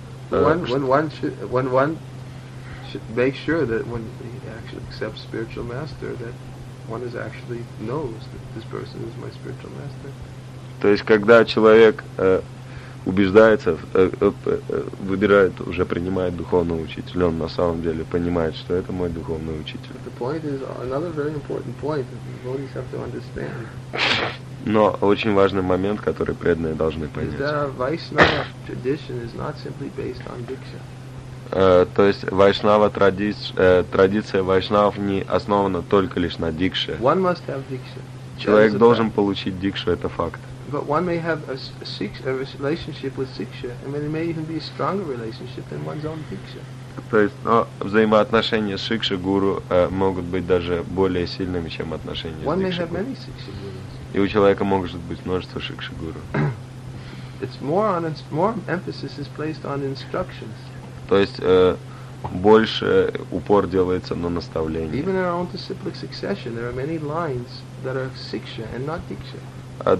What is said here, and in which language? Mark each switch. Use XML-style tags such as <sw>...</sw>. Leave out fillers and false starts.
<en>when one should make sure that when he actually accepts spiritual master, that one is actually knows that this person is my spiritual master.</en> <ru>То есть, когда человек убеждается, выбирает, уже принимает духовного учителя, он на самом деле понимает, что это мой духовный учитель.</ru> <en>The point is another very important point that devotees have to understand.</en> <ru>Но очень важный момент, который преданные должны понять.</ru> <en>That Vaishnava tradition is not simply based on diksha.</en> <ru>То есть Вайшнава традиция Вайшнав не основана только лишь на дикше.</ru> <en>One must have diksha.</en> <ru>Человек должен получить дикшу, это факт.</ru> <en>But one may have a relationship with siksha, and it may even be a stronger relationship than one's own diksha.</en> <ru>То есть, но взаимоотношения с шикши гуру могут быть даже более сильными, чем отношения с дикши.</ru> <en>One may have many siksha gurus.</en> <ru>И у человека может быть множество шикши гуру.</ru> <en>It's more on more emphasis is placed on instructions.</en> <ru>То есть больше упор делается на наставления.</ru> <en>Even in our own disciplic succession, there are many lines that are siksha and not diksha.</en>